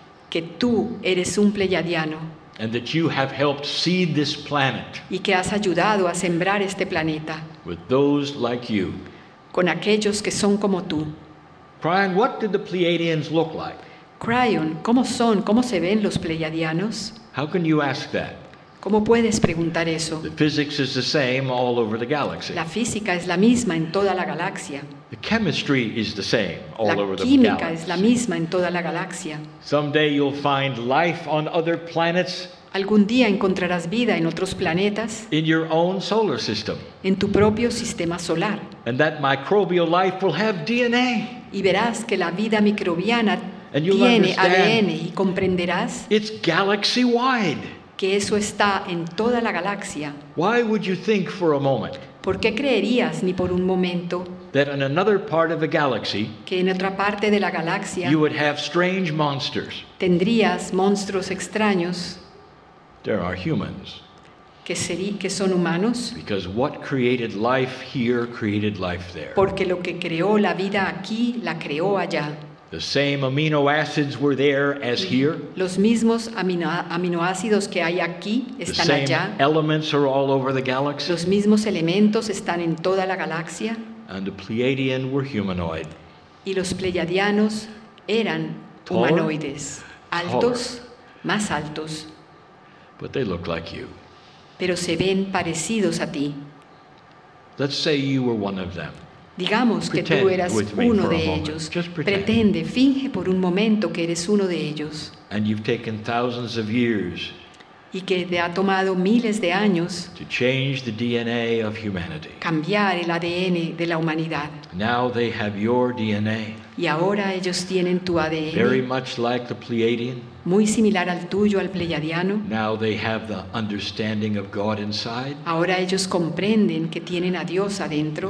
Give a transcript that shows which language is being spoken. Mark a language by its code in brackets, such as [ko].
[es] Que tú eres un pleiadiano. [en] And that you have helped seed this planet. [es] Y que has ayudado a sembrar este planeta. [en] With those like you. [es] Con aquellos que son como tú. [en] Cryon, what did the Pleiadians look like? [es] Cryon, ¿cómo son? ¿Cómo se ven los pleiadianos? [en] How can you ask that? [es] ¿Cómo puedes preguntar eso? [en] The physics is the same all over the galaxy. [es] La física es la misma en toda la galaxia. [en] The chemistry is the same all over the galaxy. [es] La química es la misma en toda la galaxia. [en] Someday you'll find life on other planets. [es] Algún día encontrarás vida en otros planetas. [en] In your own solar system. [es] En tu propio sistema solar. [en] And that microbial life will have DNA. [es] Y verás que la vida microbiana tiene ADN y comprenderás. [en] It's galaxy wide. [es] Que eso está en toda la galaxia. [en] Why would you think for a moment? [es] ¿Por qué creerías ni por un momento? [en] That in another part of the galaxy, [es] que en otra parte de la galaxia, [en] you would have strange monsters. [es] Tendrías monstruos extraños. [en] There are humans. [es] Que son humanos. [en] Because what created life here created life there. [es] Porque lo que creó la vida aquí la creó allá. [en] The same amino acids were there as here. [es] Los mismos aminoácidos que hay aquí están allá. [en] The same elements are all over the galaxy. [es] Los mismos elementos están en toda la galaxia. [en] And the Pleiadian were humanoid. [es] Y los pleiadianos eran humanoides, altos, más altos. [en] But they look like you. [es] Pero se ven parecidos a ti. [en] Let's say you were one of them. [es] Digamos que tú eras uno de ellos. Pretende, finge por un momento que eres uno de ellos. [en] And you've taken thousands of years. [es] Y que te ha tomado miles de años. [en] To change the DNA of humanity. [es] Cambiar el ADN de la humanidad. [en] Now they have your DNA. [es] Y ahora ellos tienen tu ADN. [en] Very much like the Pleiadian. [es] Muy similar al tuyo, al pleiadiano. [en] Now they have the understanding of God inside. [es] Ahora ellos comprenden que tienen a Dios adentro.